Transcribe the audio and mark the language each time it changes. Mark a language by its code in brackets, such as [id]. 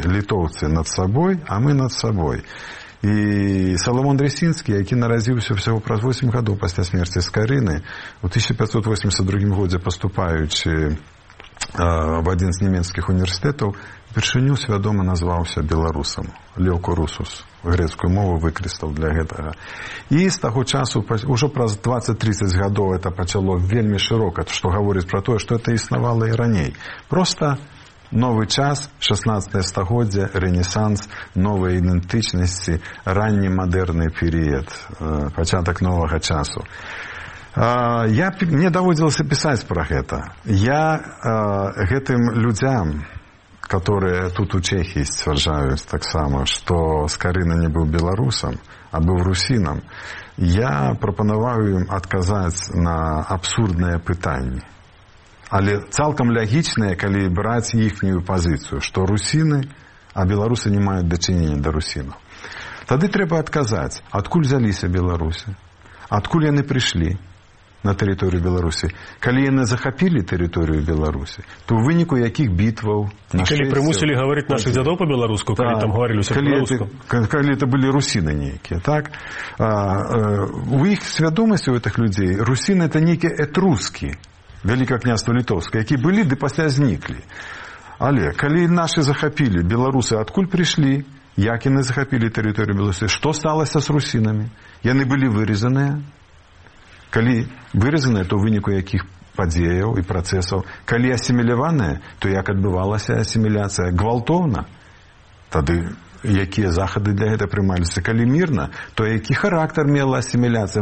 [ru] Литовцы над собой, а мы над собой. И Соломон Дресинский, який наразился всего про 8 годов после смерти Скорины, в 1582 годе поступаючи в один из немецких университетов, [be] першыню свядома назваўся беларусам, Леку Русус, грецкую мову выкрыстаў для гэтага. І з таго часу, ўжо праз 20-30 гадоў, это пачало вельмі шырока, што гаворыць пра тое, што это існавала і раней. Просто новы час, 16-е стагоддзе, ренесанс, новыя ідэнтычнасці, ранні мадэрны перыяд, пачатак новага часу. Мне даводзілася пісаць пра гэта. [ru] Я гэтым людзям, которые тут у Чехии сцвярджают так само, что Скорина не был белорусом, а был русином, я пропоную им отказать на абсурдное пытание. Але цалком логичное, коли брать ихнюю позицию, что русины, а белорусы не имеют дочинения до русинов. Тогда треба отказать, откуль взялись белорусы, откуль они пришли на территорию Беларуси. Коли они захопили территорию Беларуси, то в вынику каких битвов... И коли примусили говорить наших дядов по-белоруску, да, коли там говорили все по-белоруску. Коли это были русины некие, так? У их свядомости, у этих людей, русины это некие этруски, Великое князство Литовское, которые были, да после зникли. Але, коли наши захопили, белорусы откуль пришли, як они захопили территорию Беларуси, что сталося с русинами? И они были вырезаны. [be] Калі выразаныя, то ў выніку якіх падзеяў і працэсаў. Калі асіміляваныя, то як адбывалася асіміляцыя? Гвалтоўна. Тады якія захады для гэта прымаліся? Калі мірна, то які характар мела асіміляцыя?